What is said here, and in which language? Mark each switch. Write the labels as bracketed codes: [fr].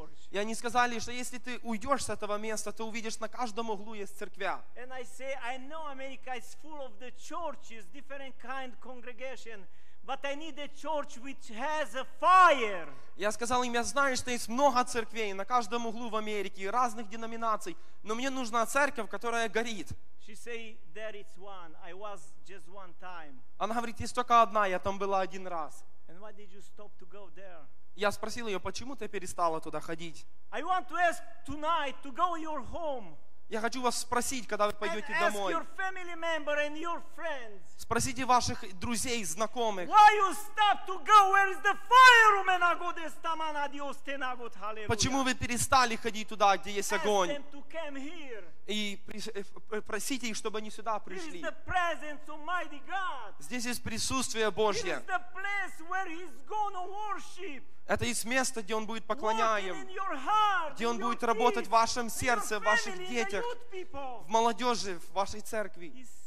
[ru] И они сказали, что если ты уйдешь с этого места, то увидишь, на каждом углу есть церковь. [en] And I say, I know America is full of the churches, different kind congregation, but I need a church which has a fire. [ru] Я сказал им: я знаю, что есть много церквей на каждом углу в Америке, разных деноминаций, но мне нужна церковь, которая горит. [en] She say, there is one. I was just one time. [ru] Она говорит: есть только одна, я там была один раз. [en] And why did you stop to go there? [ru] Я спросил ее: почему ты перестала туда ходить? [en] I want to ask tonight to go your home. [ru] Я хочу вас спросить, когда вы пойдете домой. [en] Your family member and your friends. [ru] Спросите ваших друзей, знакомых. [en] Why you stop to go where is the fire? Men God is taman adios tenagot. Hallelujah. [ru] Почему вы перестали ходить туда, где есть огонь? [en] Ask them to come here. [ru] И просите их, чтобы они сюда пришли. [en] This is the presence of mighty God. [ru] Здесь есть присутствие Божье. [en] This is the place where he's gonna worship. [ru] Это есть место, где он будет поклоняем, [en] heart, [ru] где он будет работать в вашем сердце, [en] family, [ru] в ваших детях, в молодежи, в вашей церкви.